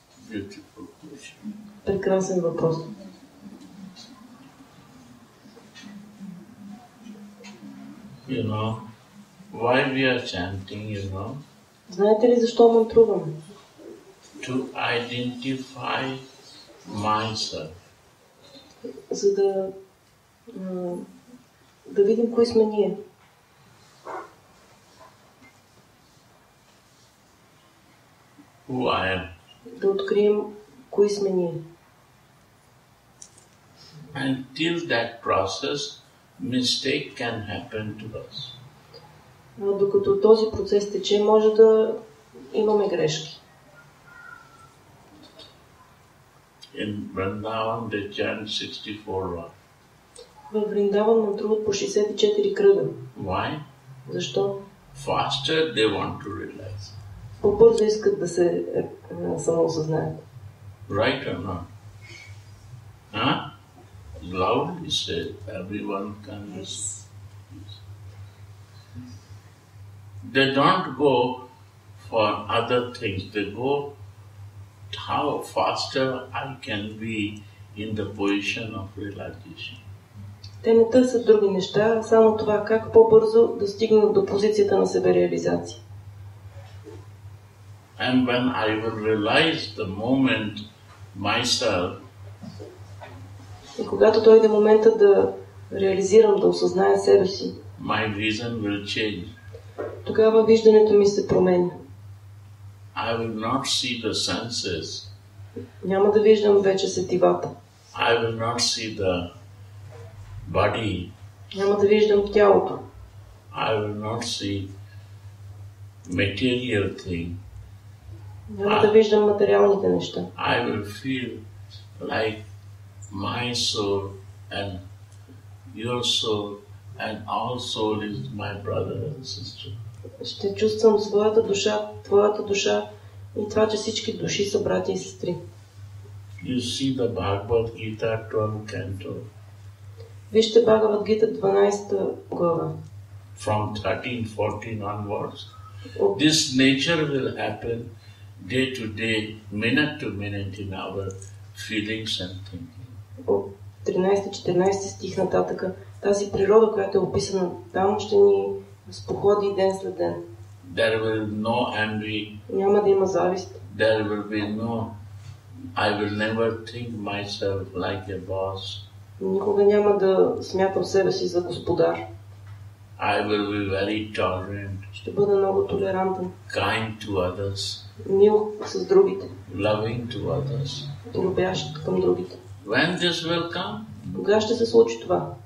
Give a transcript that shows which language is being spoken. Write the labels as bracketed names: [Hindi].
[English] Beautiful question. [Russian] Прекрасный вопрос. [English] You know, why we are chanting, you know? [Bulgarian] Знаете ли защо мантруваме? [English] To identify myself. [Bulgarian] За да, да видим кои сме ние. [English] Who I am. [Bulgarian] Да открием кои сме ние. [English] Until that process, mistake can happen to us. [Bulgarian] Докато този процес тече, може да имаме грешки. [English] In Vrindavan they chant 64 rounds. [Bulgarian] Във Вриндаван мантруват по 64 кръга. [English] Why? [Bulgarian] Защо? [English] Faster they want to realize. [Bulgarian] По-бързо искат да се самоосъзнаят. [English] Right or not? Huh? Loudly said, everyone can listen. They don't go for other things, they go how faster I can be in the position of realization. [Bulgarian] Те не търсят други неща, само това как по-бързо да стигнат до позицията на себе-реализация. [English] And when I will realize the moment myself, [Bulgarian] и когато дойде момента да реализирам, да осъзная себе си, [English] my reason will change. [Bulgarian] Тогава виждането ми се променя. [English] I will not see the senses. [Bulgarian] Няма да виждам вече сетивата. [English] I will not see the body. [Bulgarian] Няма да виждам тялото. [English] I will not see material thing. [Bulgarian] Няма да виждам материалните неща. [English] I will feel like my soul and your soul and all soul is my brother and sister. [Bulgarian] Ще чувствам своята душа, твоята душа и това, че всички души са брати и сестри. [English] You see the Bhagavad Gita 12 canto. [Bulgarian] Вижте Bhagavad Gita 12 глава. [English] From 13-14 onwards. This nature will happen day to day, minute to minute in our feelings and thinking. [Bulgarian] От 13-14 стих нататък, тази природа, която е описана там, ще ни споходи ден след ден. [English] There will be no envy. [Bulgarian] Няма да има завист. [English] There will be no, I will never think myself like a boss. [Bulgarian] Никога няма да смятам себе си за господар. [English] I will be very tolerant. [Bulgarian] Ще бъда много толерантен. [English] Kind to others. [Bulgarian] Мил с другите. [English] Loving to others. [Bulgarian] Любящ към другите. [English] When this will come? [Bulgarian] Кога ще се случи това?